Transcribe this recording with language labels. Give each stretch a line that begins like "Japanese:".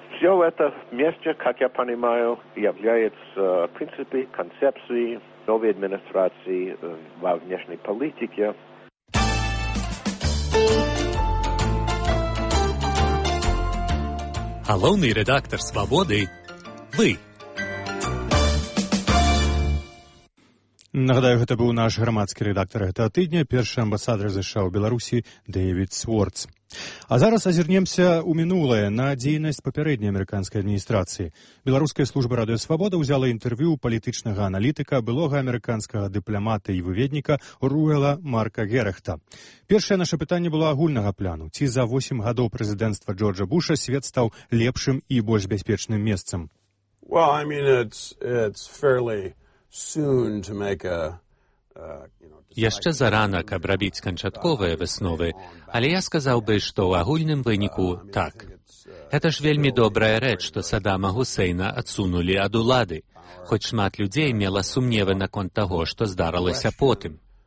Russian: Все это вместе, как я понимаю, является принципами, концепцией новой администрации во внешней политике. Главный редактор «Свободы» – вы.
Belarusian: Нагадаю, гэта быў наш грамадскі рэдактар гэтага тыдня, першы амбасадар ЗША ў Беларусі Дэвід Сворц. А зараз азірнемся ў мінулае на дзейнасць папярэдняй амерыканскай адміністрацыі. Беларуская служба Радыё Свабода ўзяла інтэрв'ю ў палітычнага аналітыка, былога амерыканскага дыпламата і выведніка Руэла Марка Герахта. Першае наша пытанне было агульнага пляну. Ці за 8 гадоў прэзідэнцтва Джорджа Буша свет стаў лепшым і больш бяспечным месцам?
English: Well, I mean, it's fairly soon to make a
Belarusian: Яшчэ зарана, каб рабіць канчатковыя высновы, але я сказаў бы, што ў агульным выніку так. Гэта ж вельмі добрая рэч, што Садама Гусейна адсунулі ад улады, хоць шмат людзей мела сумневы наконт таго, што здарылася потым.